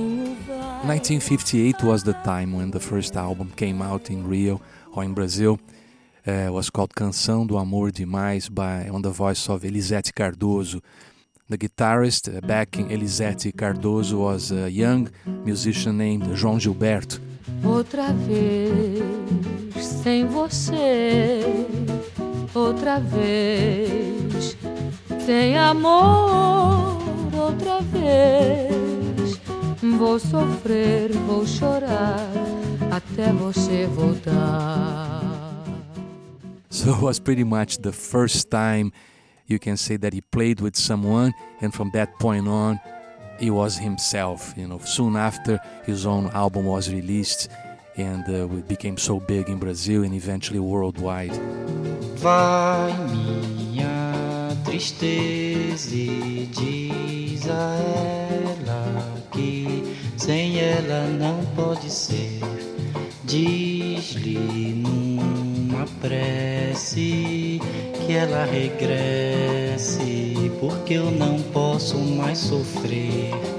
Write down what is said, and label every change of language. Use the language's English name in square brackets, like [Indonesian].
[English] 1958 was the time when the first album came out in Rio or in Brazil. It was called Canção do Amor Demais on the voice of Elisete Cardoso. The guitarist backing Elisete Cardoso was a young musician named João Gilberto. [Portuguese] Outra vez sem você, outra vez sem amor, outra vez vou sofrer, vou chorar até você voltar. [English] So it was pretty much the first time you can say that he played with someone, and from that point on, he was himself. You know, soon after, his own album was released, and it became so big in Brazil and eventually worldwide. [Portuguese] Vai minha tristeza e diz a ela que sem ela não pode ser. Diz-lhe numa prece que ela regresse, porque eu não posso mais sofrer.